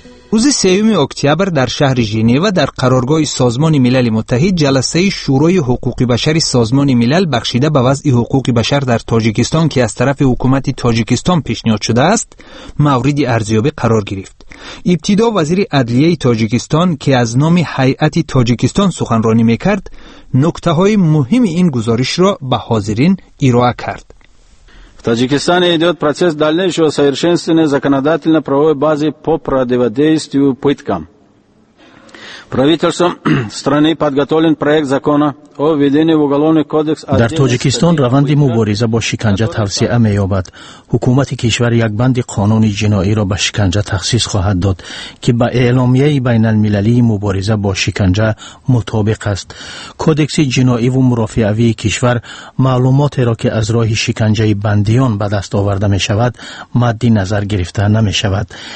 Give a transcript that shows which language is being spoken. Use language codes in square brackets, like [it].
[fa] روز 3 اکتبر در شهر ژنو در قرارگاه سازمان ملل متحد جلسه شورای حقوق بشر سازمان ملل بخشیده به وضع حقوق بشر در تاجیکستان که از طرف حکومت تاجیکستان پیشنهاد شده است مورد ارزیابی قرار گرفت. ابتدا وزیر عدلیه تاجیکستان که از نام هیئت تاجیکستان سخنرانی میکرد نکته های مهم این گزارش را به حاضرین ارائه کرد. [ru] Таджикистан идет процесс дальнейшего совершенствования законодательно-правовой базы по противодействию пыткам. Правительством страны подготовлен проект закона о введении в уголовный кодекс. [tg] Дар Таджикистан раванди мубориза бо шиканжа тавсия меёбад. Ҳукумати кишвар як банди қонуни ҷиноиро ба шиканжа тахсис хоҳад дод, ки ба эъломияи байналмилалии мубориза бо шиканжа мутобиқ аст. Кодекси ҷиноӣ ва мурофиавии кишвар маълумотеро ки аз роҳи шиканжаи бандиён ба даст оварда мешавад, мадди назар гирифта намешавад.